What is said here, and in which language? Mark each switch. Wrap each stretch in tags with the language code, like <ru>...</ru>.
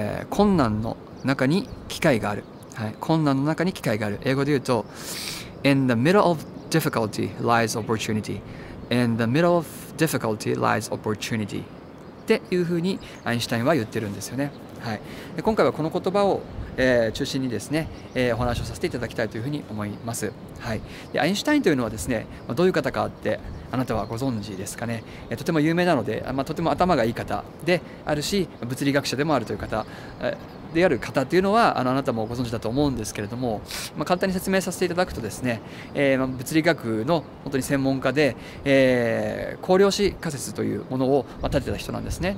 <ja>困難の中に機会がある。はい、困難の中に機会がある。英語で言うと</ja> <en>In the middle of difficulty lies opportunity. In the middle of difficulty lies opportunity.</en> <ja>っていうふうにアインシュタインは言ってるんですよね。はい、今回はこの言葉を、中心にですね、お話をさせていただきたいというふうに思います。はい、でアインシュタインというのはですね、どういう方かってあなたはご存知ですかね。とても有名なので、とても頭がいい方であるし、物理学者でもあるという方、である方っていうのはあなたもご存知だと思うんですけれども、簡単に説明させていただくとですね、物理学の本当に専門家で、光量子仮説というものを立てた人なんですね。</ja>